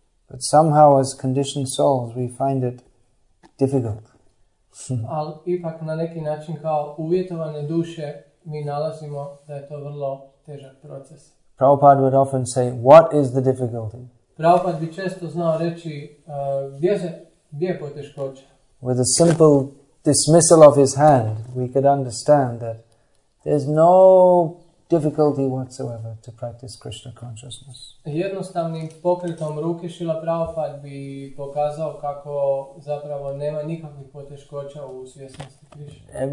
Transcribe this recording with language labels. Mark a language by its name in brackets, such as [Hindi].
[English] But somehow, as conditioned souls, we find it difficult. [Croatian] Ali ipak na neki način kao uvjetovane duše mi nalazimo da je to vrlo težak proces. [English] Prabhupada would often say, "What is the difficulty?" [Croatian] Prabhupada bi često znao reći, gdje je poteškoća? [English] With a simple dismissal of his hand, we could understand that there's no difficulty whatsoever to practice Krishna consciousness. [Croatian] Jednostavnim pokretom ruke Srila Prabhupada bi pokazao kako zapravo nema nikakvih poteškoća u svjesnosti Krishna.